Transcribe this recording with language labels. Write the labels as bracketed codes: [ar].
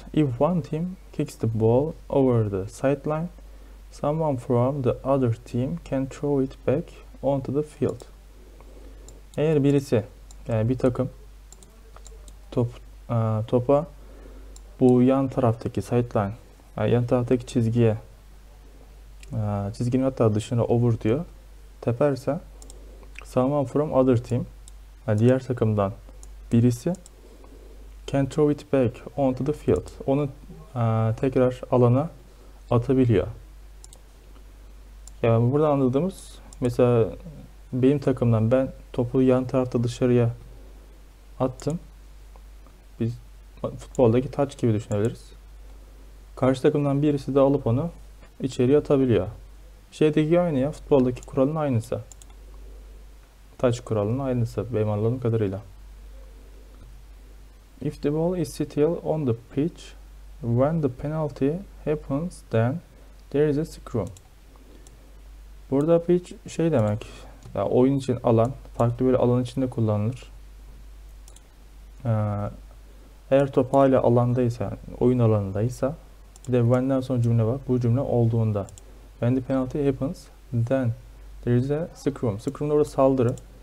[en] If one team kicks the ball over the sideline, someone from the other team can throw it back onto the field. [tr] Eğer birisi, yani bir takım topa bu yan taraftaki sideline, yani yan taraftaki çizgiye, çizginin hatta dışına over diyor, teperse, [en] someone from other team, [tr] yani diğer takımdan birisi [en] can throw it back onto the field. [tr] Onu tekrar alana atabiliyor. Yani burada anladığımız, mesela benim takımdan ben topu yan tarafta dışarıya attım. Biz futboldaki taç gibi düşünebiliriz. Karşı takımdan birisi de alıp onu içeriye atabiliyor. Şeydeki aynı ya, futboldaki kuralın aynısı. Taç kuralının aynısı benim anladığım kadarıyla. [en] If the ball is still on the pitch when the penalty happens, then there is a scrum. [tr] Burada pitch şey demek, ya oyun için alan, farklı bir alan içinde kullanılır. Eğer top hala alandaysa, oyun alanındaysa, bir de when'den sonra cümle var. Bu cümle olduğunda, [en] when the penalty happens, then there is a scrum. [tr] Scrum da orada saldırı.